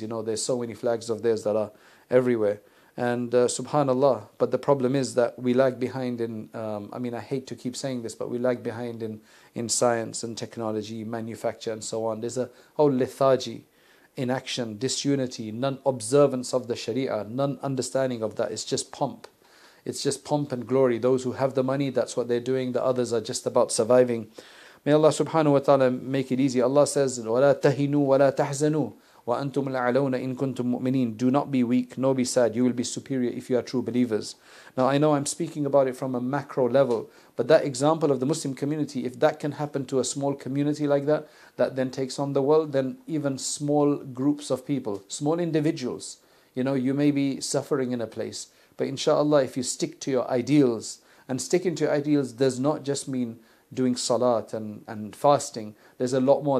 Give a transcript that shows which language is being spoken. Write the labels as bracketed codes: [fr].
[en] You know, there's so many flags of theirs that are everywhere. And subhanAllah, but the problem is that we lag behind in, I hate to keep saying this, but we lag behind in science and technology, manufacture and so on. There's a whole lethargy, inaction, disunity, non-observance of the Sharia, non-understanding of that. It's just pomp. It's just pomp and glory. Those who have the money, that's what they're doing. The others are just about surviving. May Allah subhanahu wa ta'ala make it easy. [ar] Allah says, وَلَا تَهِنُوا وَلَا تَحْزَنُوا وَأَنتُمْ الْعَلَوْنَ إِن كُنتُم مُؤْمِنِينَ. [en] Do not be weak, nor be sad. You will be superior if you are true believers. Now, I know I'm speaking about it from a macro level, but that example of the Muslim community, if that can happen to a small community like that, that then takes on the world, then even small groups of people, small individuals, you know, you may be suffering in a place, but inshallah, if you stick to your ideals, and sticking to your ideals does not just mean doing salat and fasting. There's a lot more.